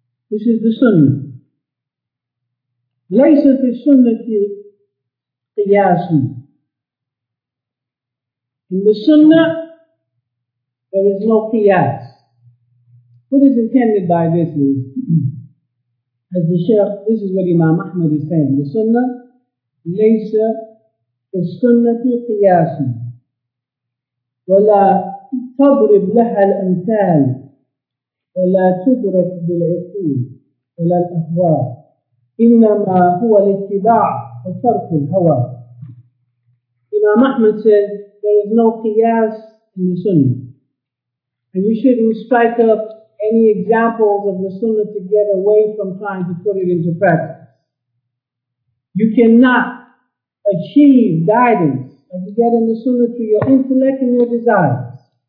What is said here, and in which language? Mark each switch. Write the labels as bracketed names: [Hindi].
[English] This is the sunnah. [Arabic] ليس في السنة قياس. [English] In the sunnah, there is no qiyas. What is intended by this is, as the Shaykh, this is what Imam Ahmad is saying. The sunnah, [Arabic] ليس في السنة قياس. ولا تضرب لها الأمثال. ولا تدرك بالعقول. ولا الأهواء إنما هو الاتباع وترك الهوى. [English] Imam Ahmad said, there is no qiyas in the sunnah. And you shouldn't strike up any examples of the sunnah to get away from trying to put it into practice. You cannot achieve guidance as you get in the sunnah through your intellect and your desires.